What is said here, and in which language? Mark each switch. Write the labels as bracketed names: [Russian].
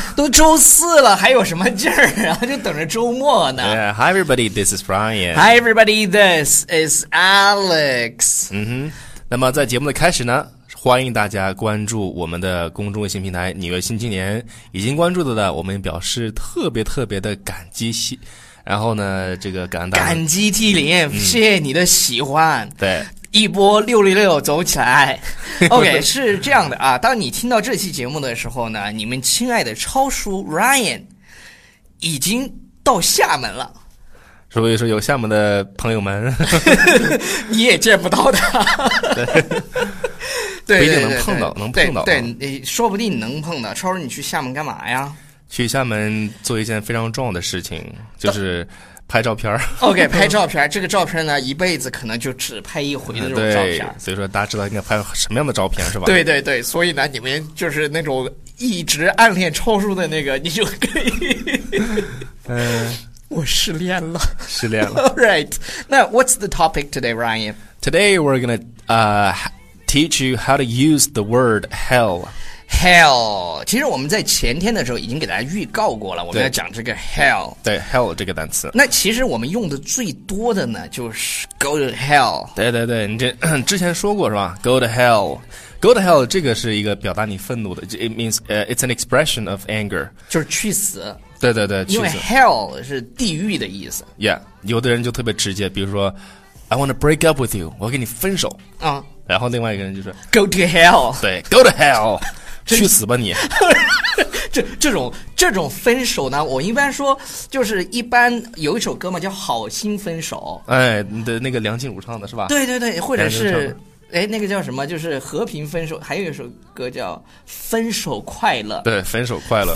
[Chinese] 都周四了，还有什么劲儿啊？就等着周末呢。 [English] Yeah, hi everybody, this is Brian. Hi everybody, this is Alex. [Chinese] 那么在节目的开始呢，欢迎大家关注我们的公众微信平台《纽约新青年》。已经关注的我们表示特别特别的感激，然后呢，这个感恩大感激涕零，谢谢你的喜欢。对。一波666走起来 OK 是这样的啊，当你听到这期节目的时候呢，你们亲爱的超叔 Ryan 已经到厦门了，所以说有厦门的朋友们你也见不到他对不一定能碰到，能碰到，对对，说不定能碰到。超叔你去厦门干嘛呀？去厦门做一件非常重要的事情，就是拍照片。 OK 拍照片这个照片呢一辈子可能就只拍一回的这种照片，所以说大家知道应该拍什么样的照片是吧？对对对，所以呢你们就是那种一直暗恋超叔的那个，你就可以我失恋了，失恋了 [English] Alright, [Chinese] 那 [English] What's the topic today, Ryan? Today we're gonna teach you how to use the word hell. [Chinese] 其实我们在前天的时候已经给大家预告过了，我们要讲这个 hell。对 hell 这个单词，那其实我们用的最多的呢就是 [English] go to hell。 [Chinese] 对对对，你这之前说过是吧， [English] go to hell。 go to hell [Chinese] 这个是一个表达你愤怒的， [English] it means it's an expression of anger， [Chinese] 就是去死。对对对，因为 hell 是地狱的意思。 yeah， 有的人就特别直接，比如说 [English] I want to break up with you， [Chinese] 我跟你分手啊。然后另外一个人就是 [English] go to hell。 [Chinese] 对 [English] go to hell [Chinese] 去死吧你这种分手呢，我一般说就是一般有一首歌嘛叫好心分手，哎，你的那个梁静茹唱的是吧？对对对，或者是哎那个叫什么，就是和平分手，还有一首歌叫分手快乐。对，分手快乐，